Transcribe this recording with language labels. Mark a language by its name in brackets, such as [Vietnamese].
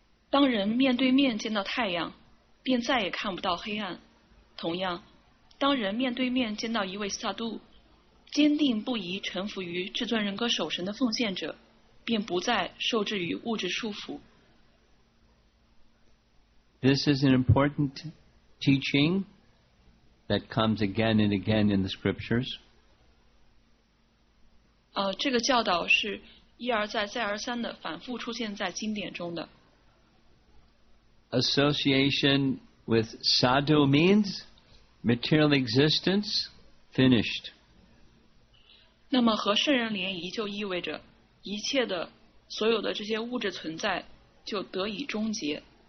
[Chinese] 当人面对面见到太阳，便再也看不到黑暗。同样，当人面对面见到一位萨杜，坚定不移臣服于至尊人格守神的奉献者，便不再受制于物质束缚。 [English] This is an important teaching that comes again and again in the scriptures. [Chinese] 这个教导是一而再、再而三的反复出现在经典中的。 [English] Association with sadhu means material existence finished. [Chinese] 那么和圣人联谊就意味着一切的、所有的这些物质存在就得以终结。